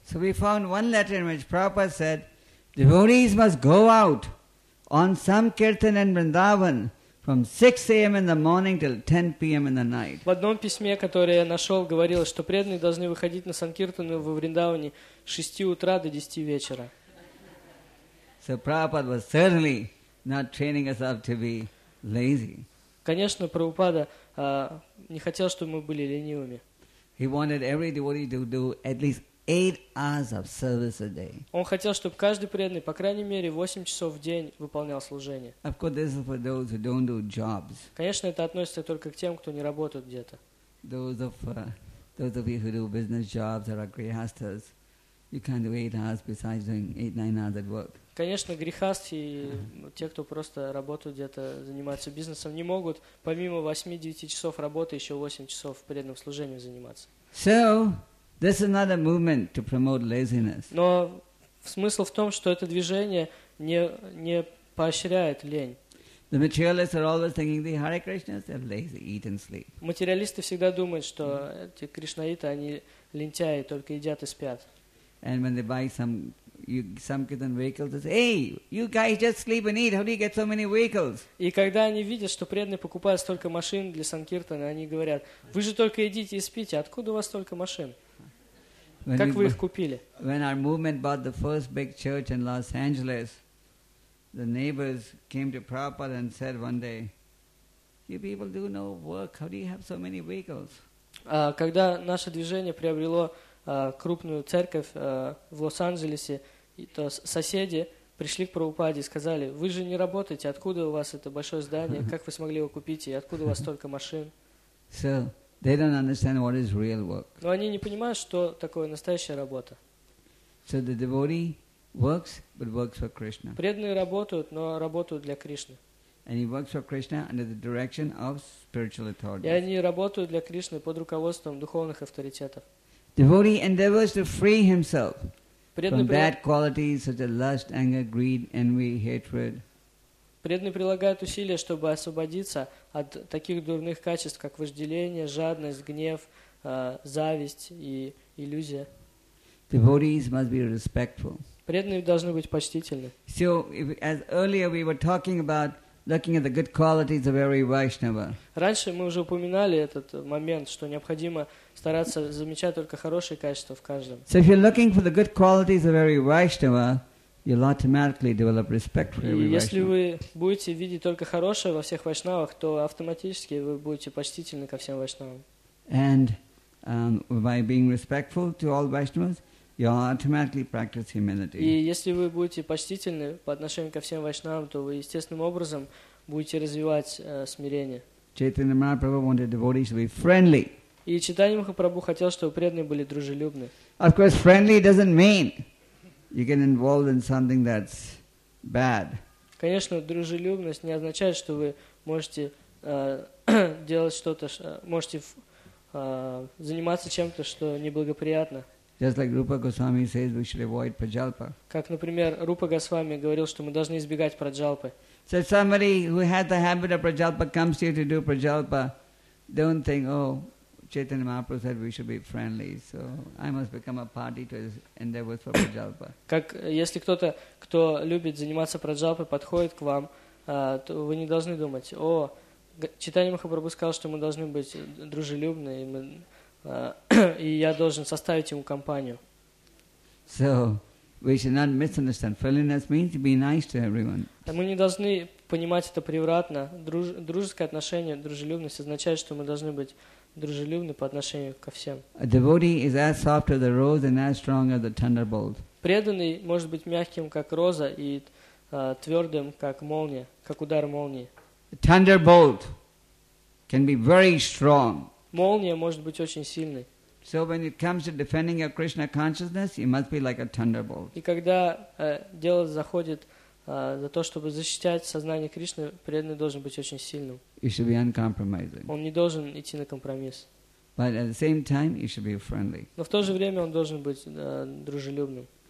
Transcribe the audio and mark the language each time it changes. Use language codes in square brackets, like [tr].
[en] So we found one letter in which Prabhupada said, devotees must go out on Sankirtan and Vrindavan from 6 a.m. in the morning till 10 p.m. in the night. [ru] В одном письме, которое я нашел, говорилось, что преданные должны выходить на Санкиртану во Вриндаване с 6 утра до 10 вечера. [en] So Prabhupada was certainly not training us up to be lazy. [ru] Конечно, Прабхупада не хотел, чтобы мы были ленивыми. [en] He wanted every devotee to do at least 8 hours of service a day. [ru] Он хотел, чтобы каждый преданный, по крайней мере, 8 часов в день выполнял служение. [en] Of course, this is for those who don't do jobs. [ru] Конечно, это относится только к тем, кто не работает где-то. [en] Those of you who do business jobs or are grihasthas, you can't do 8 hours besides doing 8-9 hours at work. [ru] Конечно, грихасты, те, кто просто работают где-то, занимаются бизнесом, не могут помимо 8-9 часов работы еще 8 часов преданным служением заниматься. [en] So, this is not a movement to promote laziness. [ru] Но смысл в том, что это движение не поощряет лень. [en] The materialists are always thinking the Hare Krishnas are lazy, eat and sleep. [ru] Материалисты всегда думают, что эти кришнаиты, они лентяи, только едят и спят. [en] And when they buy some kirtan vehicles, they say, "Hey, you guys just sleep and eat. How do you get so many vehicles?" [ru] И когда они видят, что преданные покупают столько машин для санкиртана, они говорят: "Вы же только едите и спите. Откуда у вас столько машин? Как вы их купили?" [en] When our movement bought the first big church in Los Angeles, the neighbors came to Prabhupada and said one day, "You people do no work. How do you have so many vehicles?" [ru] Когда наше движение приобрело крупную церковь в Лос-Анджелесе, и то соседи пришли к Прабхупаде и сказали: «Вы же не работаете, откуда у вас это большое здание, как вы смогли его купить, и откуда у вас столько машин?» [en] So, they don't understand what is real work. [ru] Но они не понимают, что такое настоящая работа. [en] So the devotee works, but works for Krishna. [ru] Преданные работают, но работают для Кришны. [en] And he works for Krishna under the direction of spiritual authorities. [ru] И они работают для Кришны под руководством духовных авторитетов. [en] Devotee endeavors to free himself from bad qualities such as lust, anger, greed, envy, hatred. [ru] Преданный прилагает усилия, чтобы освободиться от таких дурных качеств, как вожделение, жадность, гнев, зависть и иллюзия. [en] Devotees must be respectful. [ru] Преданные должны быть почтительны. [en] So, as earlier we were talking about looking at the good qualities of every Vaishnava. [ru] Раньше мы уже упоминали этот момент, что необходимо стараться замечать только хорошие качества в каждом. [en] So if you're looking for the good qualities of every Vaishnava, you'll automatically develop respect for every Vaishnava. [ru] Если вы будете видеть только хорошее во всех вайшнавах, то автоматически вы будете почтительны ко всем вайшнавам. [en] And by being respectful to all Vaishnavas, you automatically practice humility. [ru] И если вы будете почтительны по отношению ко всем вайшнавам, то вы естественным образом будете развивать смирение. [en] Chaitanya Mahaprabhu wanted devotees to be friendly. [ru] И Чайтанья Махапрабху хотел, чтобы преданные были дружелюбны. [en] Of course, friendly doesn't mean you get involved in something that's bad. [ru] Конечно, дружелюбность не означает, что вы можете делать что-то, можете заниматься чем-то, что неблагоприятно. [en] Just like Rupa Goswami says, we should avoid prajalpa. [ru] Как, например, Рупа Госвами говорил, что мы должны избегать праджалпы. [en] So somebody who had the habit of prajalpa comes here to do prajalpa, don't think, "Oh, Chaitanya Mahaprabhu said we should be friendly, so I must become a party to his endeavors for prajalpa." [ru] Как если кто-то, кто любит заниматься праджалпой, подходит к вам, то вы не должны думать: "О, Чайтанья Махапрабху сказал, что мы должны быть дружелюбны, и мы и я должен составить ему компанию." [en] So, we should not misunderstand. Friendliness means to be nice to everyone. [ru] Мы не должны понимать это превратно. Дружеское отношение, дружелюбность означает, что мы должны быть дружелюбны по отношению ко всем. [en] A devotee is as soft as the rose and as strong as the thunderbolt. [ru] Преданный может быть мягким, как роза, и твердым, как молния, как удар молнии. [en] A thunderbolt can be very strong. [ru] Молния может быть очень сильной. [en] So when it comes to defending your Krishna consciousness, you must be like a thunderbolt. [ru] И когда дело заходит за то, чтобы защищать сознание Кришны, преданный должен быть очень сильным. [en] You should be uncompromising. [ru] Он не должен идти на компромисс. [en] But at the same time, you should be friendly. [ru] Но в то же время он должен быть дружелюбным.